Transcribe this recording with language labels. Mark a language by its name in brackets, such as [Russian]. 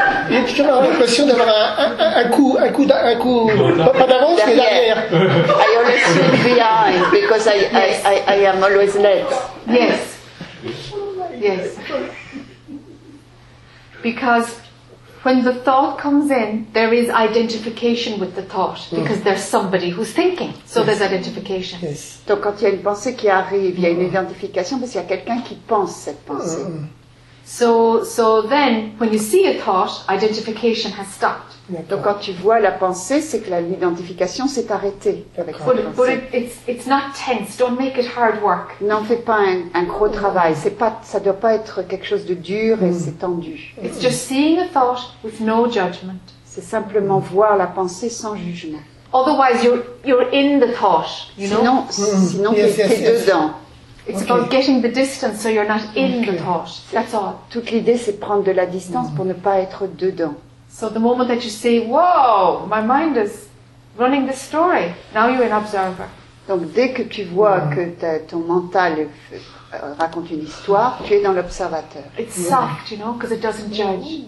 [French] Et tu as l'impression d'avoir un coup pas d'avance mais derrière. [English] I always look behind because I am always late. Yes. Yes. Because when the thought comes in, there is identification with the thought because there's somebody who's thinking. So yes. There's identification. Yes. [French] Donc quand il y a une pensée qui arrive, il y a une identification parce qu'il y a quelqu'un qui pense cette pensée. Mm. [English] So then, when you see a thought, identification has stopped. [French] D'accord. Donc quand tu vois la pensée, c'est que l'identification s'est arrêtée. [English] But it's not tense. Don't make it hard work. [French] N'en fais pas un gros travail. C'est pas, ça doit pas être quelque chose de dur et c'est tendu. [English] It's just seeing a thought with no judgment. [French] C'est simplement voir la pensée sans jugement. [English] Otherwise, you're in the thought. [French] Sinon, t'es dedans. [English] It's about getting the distance so you're not in the thought. That's all. [French] Toute l'idée, c'est prendre de la distance pour ne pas être dedans. [English] So the moment that you say, whoa, my mind is running the story, now you're an observer. [French] Donc dès que tu vois que ton mental raconte une histoire, tu es dans l'observateur. [English] It's soft, you know, because it doesn't judge.